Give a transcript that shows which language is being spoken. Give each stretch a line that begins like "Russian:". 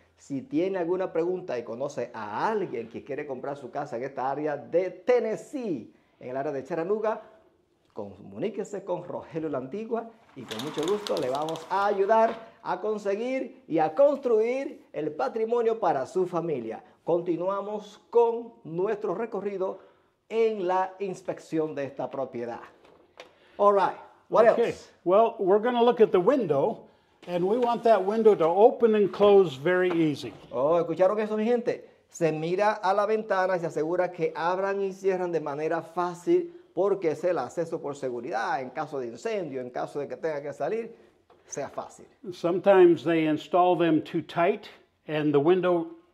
Spanish: Si tiene alguna pregunta y conoce a alguien que quiere comprar su casa en esta área de Tennessee, en el área de Chattanooga, comuníquese con Rogelio La Antigua y con mucho gusto le vamos a ayudar a conseguir y a construir el patrimonio para su familia. Continuamos con nuestro recorrido en la inspección de esta propiedad.
English: All right, what okay. else? Well, we're going to look at the window. And we want that window to open and close very easy.
Spanish: Oh, ¿escucharon eso, mi gente? Se mira a la ventana y se asegura que abran y cierran de manera fácil, porque es el acceso por seguridad en caso de incendio, en caso de que tenga que salir, sea fácil.
English: Sometimes they install them too tight and the window...